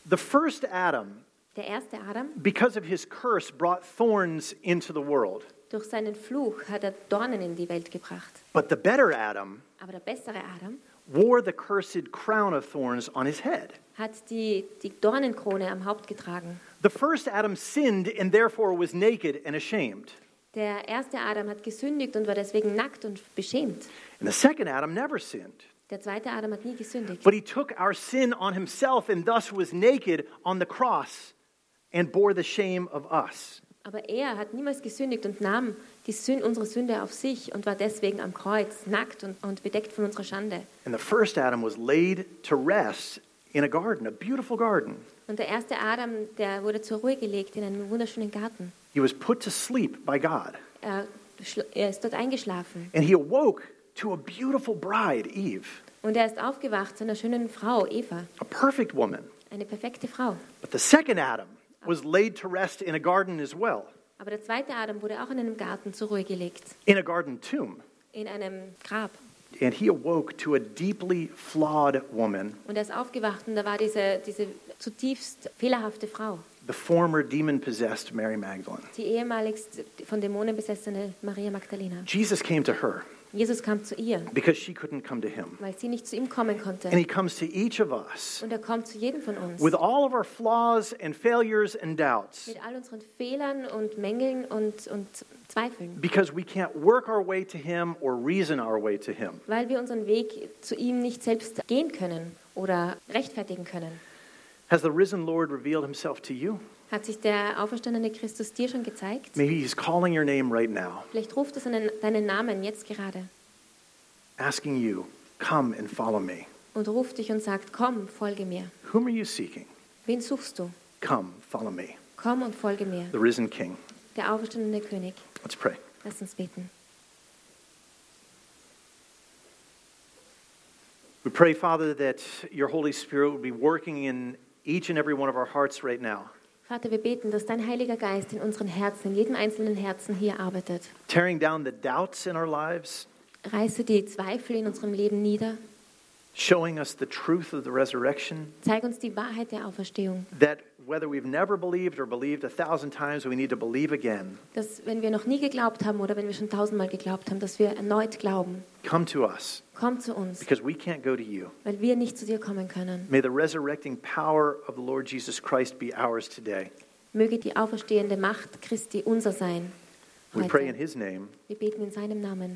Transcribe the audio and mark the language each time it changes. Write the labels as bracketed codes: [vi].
[en] The first Adam, [de] der erste Adam, [en] because of his curse, brought thorns into the world. [de] Durch seinen Fluch hat er Dornen in die Welt gebracht. [en] But the better Adam, [de] aber der bessere Adam, [en] wore the cursed crown of thorns on his head. [de] Hat die Dornenkrone am Haupt getragen. [en] The first Adam sinned and therefore was naked and ashamed. [de] Der erste Adam hat gesündigt und war deswegen nackt und beschämt. [en] And the second Adam never sinned. [de] Der zweite Adam hat nie gesündigt. [en] But he took our sin on himself and thus was naked on the cross and bore the shame of us. [de] Aber er hat niemals gesündigt und nahm unsere Sünde auf sich und war deswegen am Kreuz nackt und bedeckt von unserer Schande. [en] And the first Adam was laid to rest in a garden, a beautiful garden. [de] Und der erste Adam, der wurde zur Ruhe gelegt in einem wunderschönen Garten. [en] He was put to sleep by God. [de] Er ist dort eingeschlafen. [en] And he awoke to a beautiful bride, Eve. [de] Und er ist aufgewacht zu einer schönen Frau, Eva. [en] A perfect woman. [de] Eine perfekte Frau. [en] But the second Adam was laid to rest in a garden as well. [de] Aber der zweite Adam wurde auch in einem Garten zur Ruhe gelegt. [en] In a garden tomb. [de] In einem Grab. [en] And he awoke to a deeply flawed woman. [de] Und er ist aufgewacht und da war diese zutiefst fehlerhafte Frau. [en] The former demon-possessed Mary Magdalene. [de] Die ehemaligst von Dämonen besessene Maria Magdalena. [en] Jesus came to her. [de] Jesus kam zu ihr. [en] Because she couldn't come to him. [de] Weil sie nicht zu ihm kommen konnte. [en] And he comes to each of us. [de] Und er kommt zu jedem von uns. [en] With all of our flaws and failures and doubts. [de] Mit all unseren Fehlern und Mängeln und Zweifeln. [en] Because we can't work our way to him or reason our way to him. [de] Weil wir unseren Weg zu ihm nicht selbst gehen können oder rechtfertigen können. [en] Has the risen Lord revealed himself to you? [de] Hat sich der auferstandene Christus dir schon gezeigt? [en] Maybe he's calling your name right now. [de] Vielleicht ruft er deinen Namen jetzt gerade. [en] Asking you, come and follow me. [de] Und ruft dich und sagt, komm, folge mir. [en] Whom are you seeking? [de] Wen suchst du? [en] Come, follow me. [de] Komm und folge mir. [en] The risen King. [de] Der auferstandene König. [en] Let's pray. [de] Lass uns beten. [en] We pray, Father, that your Holy Spirit would be working in each and every one of our hearts right now. [de] Vater, wir beten, dass dein Heiliger Geist in unseren Herzen, in jedem einzelnen Herzen hier arbeitet. [en] Tearing down the doubts in our lives. [de] Reiße die Zweifel in unserem Leben nieder. [en] Showing us the truth of the resurrection. [de] Zeig uns die Wahrheit der Auferstehung. [en] That whether we've never believed or believed a thousand times, we need to believe again. [de] Dass wenn wir noch nie geglaubt haben oder wenn wir schon tausendmal geglaubt haben, dass wir erneut glauben. [en] Come to us. [de] Komm zu uns. [en] Because we can't go to you. [de] Weil wir nicht zu dir kommen können. [en] May the resurrecting power of the Lord Jesus Christ be ours today. [de] Möge die auferstehende Macht Christi unser sein. [en] We pray in his name. [de] Wir beten in seinem Namen.